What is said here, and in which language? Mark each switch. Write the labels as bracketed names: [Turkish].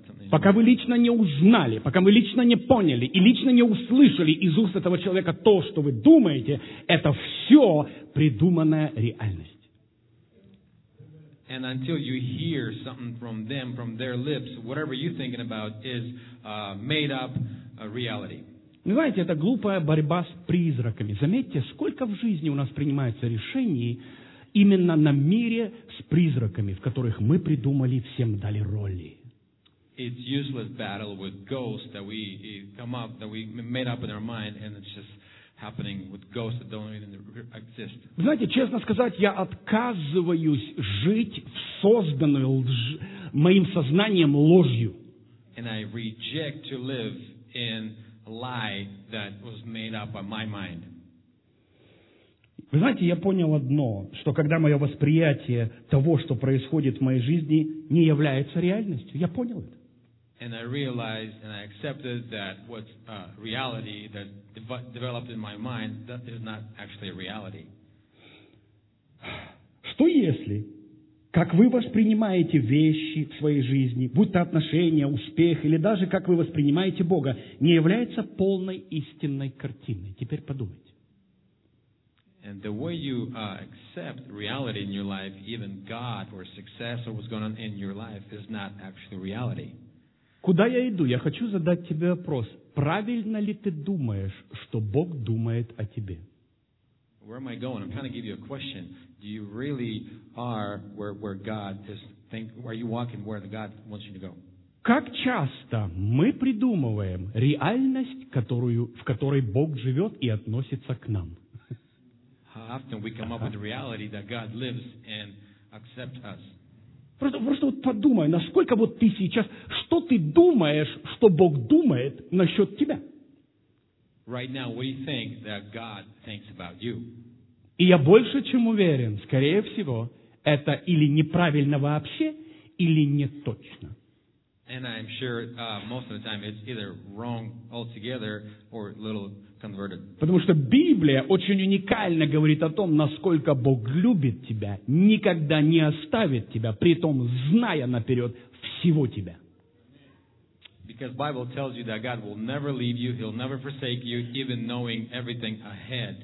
[Russian] Пока вы лично не узнали, пока вы лично не поняли и лично не услышали из уст этого человека то, что вы думаете, это все придуманная реальность. [English] And until you hear something from them, from their lips, whatever you're thinking about is made up reality. [Russian] Вы знаете, это глупая борьба с призраками. Заметьте, сколько в жизни у нас принимается решений именно на мире с призраками, в которых мы придумали, всем дали роли. [English] It's useless battle with ghosts that we come up, that we made up in our mind, and it's just happening with ghosts that don't even exist. [Russian] Знаете, честно сказать, я отказываюсь жить в созданную моим сознанием ложью. [English] And I reject to live in a lie that was made up by my mind. [Russian] Вы знаете, я понял одно, что когда мое восприятие того, что происходит в моей жизни, не является реальностью, я понял это. [English] And I realized and I accepted that what's reality that developed in my mind that is not actually a reality. [Russian] Что если, как вы воспринимаете вещи в своей жизни, будь то отношения, успех, или даже как вы воспринимаете Бога, не является полной истинной картиной? Теперь подумайте. [English] And the way you accept reality in your life, even God or success or what's going on in your life, is not actually reality. [Russian] Куда я иду? Я хочу задать тебе вопрос. Правильно ли ты думаешь, что Бог думает о тебе? [English] Where am I going? I'm trying to give you a question. Do you really are where God is think, are you walking where God wants you to go? [Russian] Как часто мы придумываем реальность, которую, в которой Бог живет и относится к нам? [English] How often we come up with the reality that God lives and accepts us? [Russian] Просто вот подумай, насколько вот ты сейчас, что ты думаешь, что Бог думает насчет тебя? [English] Right now, what do you think that God thinks about you? [Russian] И я больше чем уверен, скорее всего, это или неправильно вообще, или не точно. [English] And I'm sure most of the time it's either wrong altogether or a little converted. [Russian] Потому что Библия очень уникально говорит о том, насколько Бог любит тебя, никогда не оставит тебя, при том зная наперед всего тебя. [English] Because Bible tells you that God will never leave you, He'll never forsake you, even knowing everything ahead.